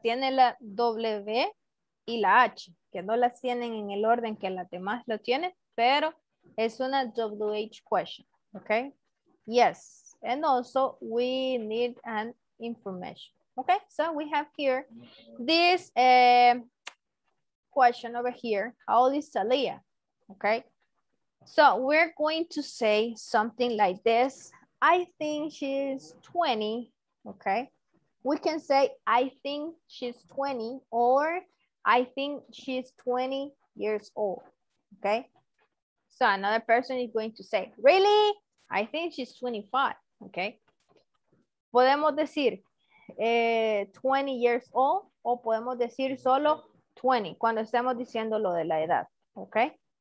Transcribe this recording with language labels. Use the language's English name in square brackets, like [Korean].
[Spanish] Tiene la W y la H, que no las tienen en el orden que las demás lo tienen, pero es una WH question, okay? [English] Yes, and also we need an information, okay? So we have here this question over here, how old is Talia, okay? So we're going to say something like this. I think she's 20, okay? We can say, I think she's 20, or I think she's 20 years old, okay? So another person is going to say, really? I think she's 25, okay? [Spanish] Podemos decir 20 [English] years old [Spanish] o podemos decir solo 20 cuando estamos diciendo lo de la edad, okay?